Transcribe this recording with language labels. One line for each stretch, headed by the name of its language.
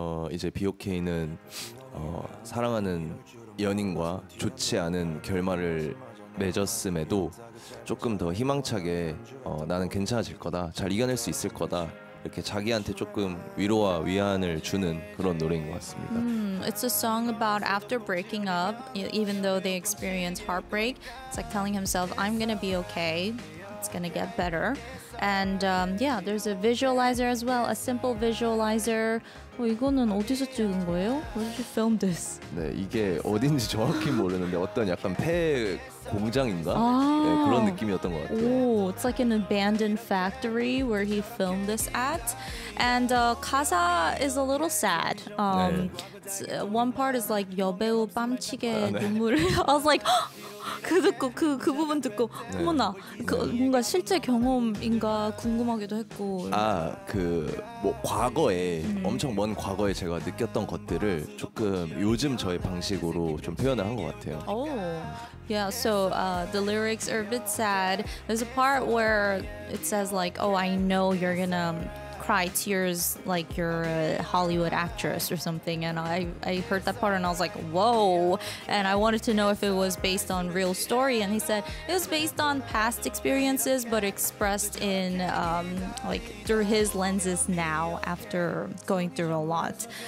Korean: 이제 Be Okay는 사랑하는 연인과 좋지 않은 결말을 맺었음에도 조금 더 희망차게 나는 괜찮아질 거다. 잘 이겨낼 수 있을 거다. 이렇게 자기한테 조금 위로와 위안을 주는 그런 노래인 것 같습니다.
English: It's a song about after breaking up, even though they experience heartbreak, it's like telling himself, I'm gonna be okay, it's gonna get better. And yeah, there's a visualizer as well, a simple visualizer.
Korean: 이거는 어디서 찍은 거예요?
English: Where did you film this?
Korean: 네, 이게 어딘지 정확히 모르는데 어떤 약간 폐 공장인가? 네, 그런 느낌이었던 것 같아요.
English: Oh, it's like an abandoned factory where he filmed this at. And 가사 is a little sad. One part is like
Korean: 여배우 뺨치게 눈물을. 네.
English: I was like
Korean: 그 듣고 그 부분 듣고 네. 어머나 그 네. 뭔가 실제 경험인가 궁금하기도 했고 아 그 뭐 과거에 엄청 먼 과거에 제가 느꼈던 것들을 조금 요즘 저의 방식으로 좀 표현을 한 것 같아요.
English: Oh yeah, so the lyrics are a bit sad. There's a part where it says like, oh, I know you're gonna cry tears like you're a Hollywood actress or something, and I heard that part and I was like, whoa, and I wanted to know if it was based on real story, and he said it was based on past experiences but expressed in like through his lenses now after going through a lot.